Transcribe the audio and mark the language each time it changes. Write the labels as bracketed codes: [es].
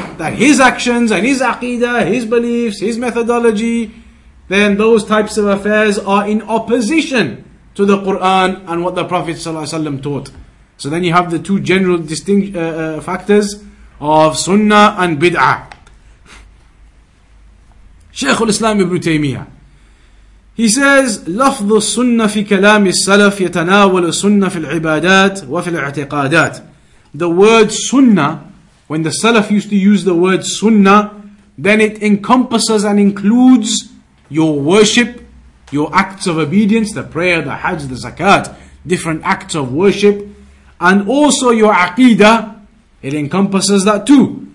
[en] that his actions and his aqidah, his beliefs, his methodology, then those types of affairs are in opposition to the Quran and what the Prophet ﷺ taught. So then you have the two general factors of sunnah and bid'ah. Shaykh al-Islam Ibn Taymiyyah, he says, [ar] لفظ السنة في كلام السلف يتناول السنة في العبادات وفي الاعتقادات. [en] The word sunnah, when the Salaf used to use the word sunnah, then it encompasses and includes your worship, your acts of obedience, the prayer, the hajj, the zakat, different acts of worship, and also your aqidah, it encompasses that too.